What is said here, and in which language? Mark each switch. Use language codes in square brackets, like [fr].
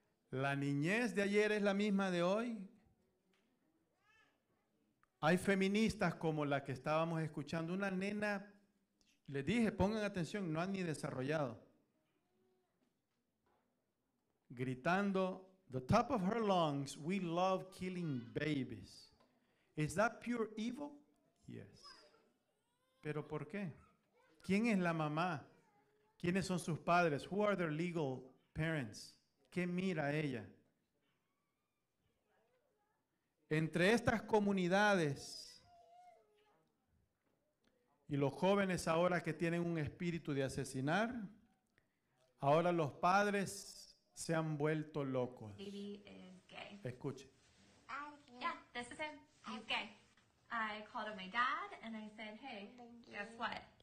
[es] ¿La niñez de ayer es la misma de hoy? Hay feministas como la que estábamos escuchando, una nena, les dije, pongan atención, no han ni desarrollado. [en] Gritando, the top of her lungs, we love killing babies. Is that pure evil? Yes. [es] ¿Pero por qué? ¿Quién es la mamá? ¿Quiénes son sus padres? [en] Who are their legal parents? [es] ¿Qué mira ella? Entre estas comunidades y los jóvenes ahora que tienen un espíritu de asesinar, ahora los padres se han vuelto locos. Escuche. [en] Yeah, this is him. He's gay. I called up my dad and I said, hey, guess what?